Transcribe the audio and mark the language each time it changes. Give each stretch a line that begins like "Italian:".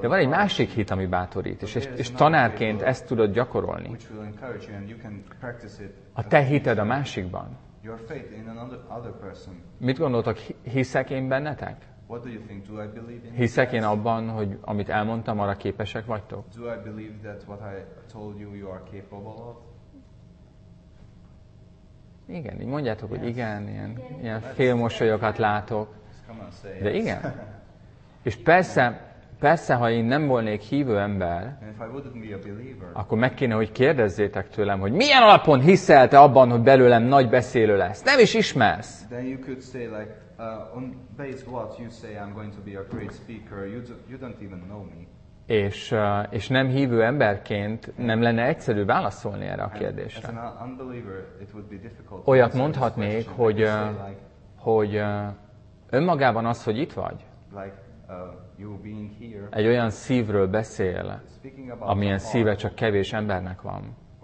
Hungarian: de van egy másik hit, ami bátorít, és tanárként ezt tudod gyakorolni.
English: Which will encourage you, and you can practice it.
Hungarian: A te hited a másikban.
English: Your faith in another person.
Hungarian: Mit gondoltak, hiszek én bennetek?
English: What do you think? Do I believe in?
Hungarian: Hiszek én abban, hogy amit elmondtam, arra képesek vagytok?
English: Do I believe that what I told you, you are capable of?
Hungarian: Igen, így mondjátok,
English: yes.
Hungarian: Hogy igen, ilyen félmosolyokat látok. De igen. És persze, ha én nem volnék hívő ember,
English: believer,
Hungarian: akkor meg kéne, hogy kérdezzétek tőlem, hogy milyen alapon hiszel te abban, hogy belőlem nagy beszélő lesz? Nem is ismersz!
English: Then you could say like, on base what you say I'm going to be a great speaker, you don't even know me.
Hungarian: És nem hívő emberként nem lenne egyszerű válaszolni erre a kérdésre.
English: As an unbeliever, it would be difficult.
Hungarian: Olyat mondhatnék, hogy önmagában az, hogy itt vagy,
English: like, you being here,
Hungarian: egy olyan szívről beszél, amilyen szíve csak kevés embernek van.